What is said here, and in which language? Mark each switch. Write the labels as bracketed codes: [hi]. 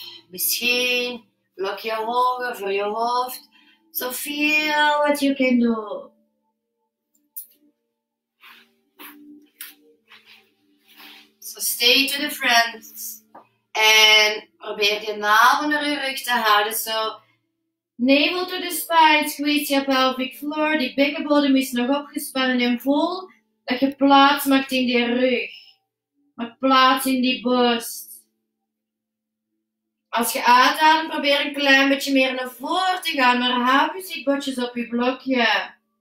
[nl] Misschien blokje hoger voor je hoofd. [en] So feel what you can do. Stay to the front [nl] en probeer je navel naar je rug te houden. [en] So, navel to the spine, squeeze your pelvic floor. [nl] Die bekkenbodem is nog opgespannen en voel dat je plaats maakt in die rug. Maak plaats in die borst. Als je uitademt, probeer een klein beetje meer naar voren te gaan, maar hou je zitbotjes op je blokje.